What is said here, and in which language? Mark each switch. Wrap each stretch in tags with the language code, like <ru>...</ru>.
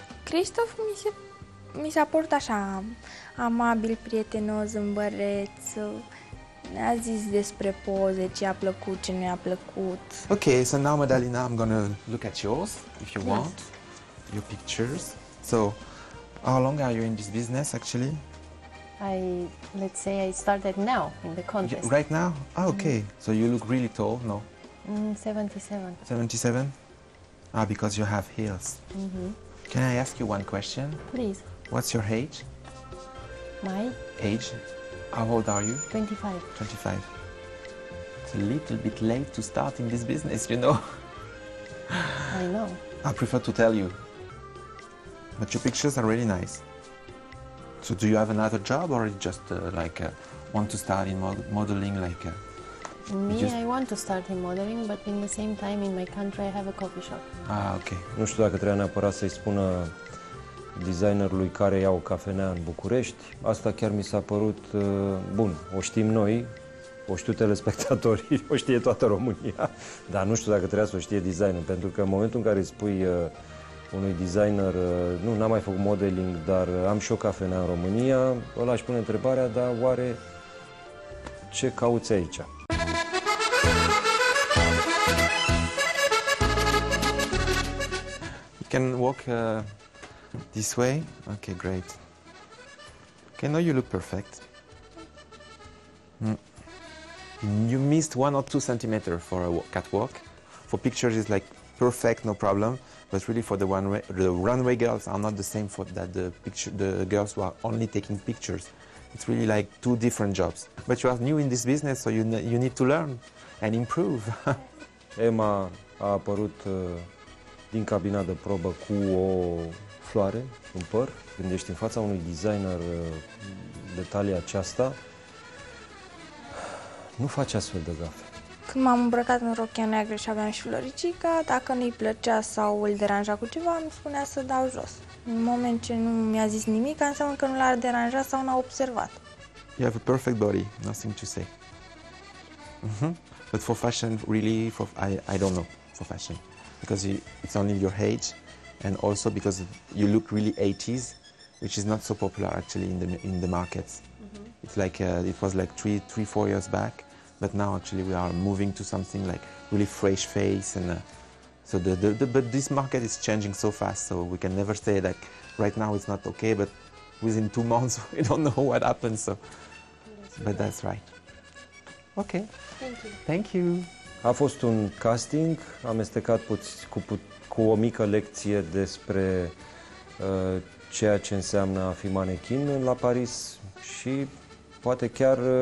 <ro>Christophe mi se port așa amabil, prietenos, îmbăreț. Ne-a zis despre poze, ce a plăcut, ce nu i-a plăcut.</ro> <en>Okay, so now Madalina, I'm going to look at yours if you want. Your pictures. So how long are you in this business actually? Let's say I started now in the contest. Yeah, right now? Oh, okay. Mm. So you look really tall, no? 77. Ah, because you have heels. Mm-hmm. Can I ask you one question? Please. What's your age? My? Age. How old are you? 25. It's a little bit late to start in this business, you know? I know. I prefer to tell you. But your pictures are really nice. So do you have another job or just want to start in modeling? I want to start in modeling, but in the same time in my country I have a coffee shop. Ah, okay.</en> <ro>Nu știu dacă trebuie neapărat să-i spună designerului care ia o cafenea în București. Asta chiar mi s-a părut bun. O știm noi, o știu telespectatorii, o știe toată România. Dar nu știu dacă trebuie să o știe designer, pentru că în momentul în care îi spui unui designer, nu, n-am mai făcut modeling, dar am și o cafenea în România, ăla își pune întrebarea, dar oare ce cauți aici?</ro> <en>You can walk this way? Okay, great. Okay, now you look perfect. You missed 1 or 2 centimeters for a catwalk. For pictures it's like perfect, no problem. But really, for the runway girls are not the same for that the girls who are only taking pictures. It's really like two different jobs. But you are new in this business, so you need to learn and improve.</en> <ro>Emma a apărut din cabina de probă cu o floare în păr. Când ești în fața unui designer de talie aceasta, nu faci astfel de gafe. Când m-am îmbrăcat în rochea neagră și aveam și floricica, dacă nu-i plăcea sau îl deranja cu ceva, îmi spunea să dau jos. În moment ce nu mi-a zis nimic, înseamnă că nu l-ar deranja sau n-a observat.</ro> <en>You have a perfect body, nothing to say. Mm-hmm. But for fashion, really, I don't know for fashion. Because it's only your age and also because you look really 80s, which is not so popular actually in the markets. Mm-hmm. It's like it was like 3-4 years back. But now actually we are moving to something like really fresh face and so but this market is changing so fast, so we can never say that right now it's not okay, but within 2 months we don't know what happens, so but that's right. Okay. Thank you.</en> <ro>A fost un casting amestecat cu o mică lecție despre ceea ce înseamnă a fi manechin la Paris și poate chiar</ro>